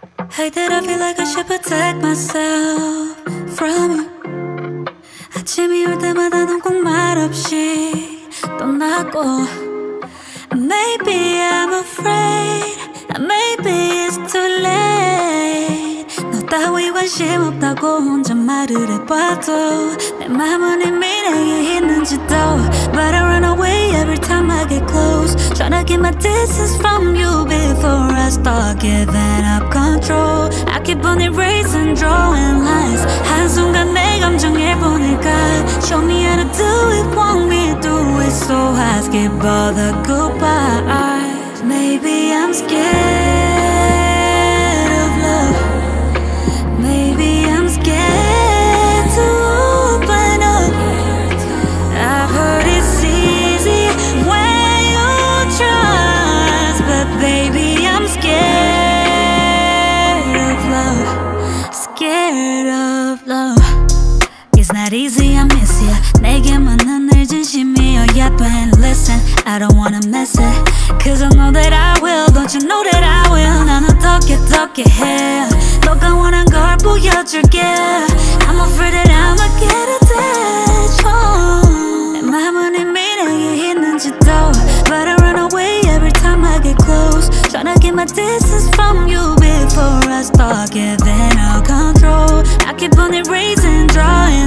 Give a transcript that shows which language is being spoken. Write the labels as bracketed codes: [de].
[en] Hate that I feel like I should protect myself from you. [ko] 아침이 올 때마다 넌 꼭 말없이 떠나고. [en] Maybe I'm afraid, maybe it's too late. [ko] 너 따위 관심 없다고 혼자 말을 해봐도 내 맘은 이미 내게 있는지도. [en] But I run away every time I get close, tryna keep my distance from you before I start giving up control. I keep on erasing, drawing lines. [ko] 한순간 내 감정에 보니까 [en] show me how to do it, want me do it. So I skip all the goodbyes. Maybe I'm scared of love. Maybe I'm scared to open up. I've heard it's easy when you trust. But baby, I'm scared of love. Scared of love. It's not easy, I miss ya. [ko] 내게만 진심이어야 돼. [en] Listen, I don't wanna mess it, cause I know that I will. Don't you know that I will. [ko] 난 어떻게 어떻게 해, 너가 원한 걸 보여줄게. [en] I'm afraid that I'm a get attached. [ko] Oh, 내 맘은 이미 내게 있는지도. [en] But I run away every time I get close, tryna get my distance from you before I start giving up control. I keep on erasing, drawing.